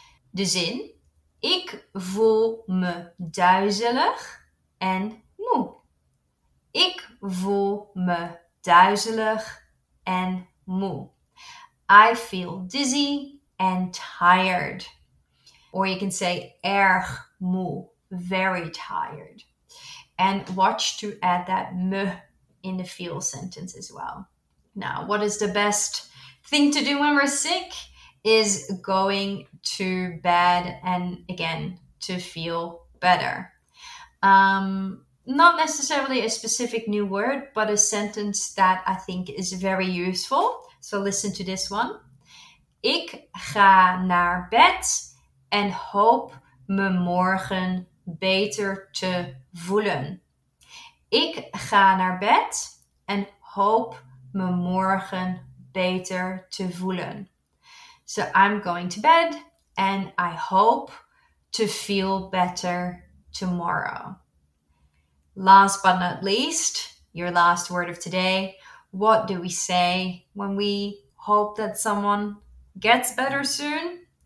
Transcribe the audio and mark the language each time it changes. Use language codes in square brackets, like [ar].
[nl] De zin, ik voel me duizelig en moe. Ik voel me duizelig en moe. [en] I feel dizzy and tired. Or you can say erg moe, very tired. And watch to add that me in the feel sentence as well. Now, what is the best thing to do when we're sick? Is going to bed and again, to feel better. Not necessarily a specific new word, but a sentence that I think is very useful. So listen to this one. [nl] Ik ga naar bed en hoop me morgen beter te voelen. Ik ga naar bed en hoop me morgen beter te voelen. [en] So I'm going to bed and I hope to feel better tomorrow. Last but not least, your last word of today. What do we say when we hope that someone gets better soon?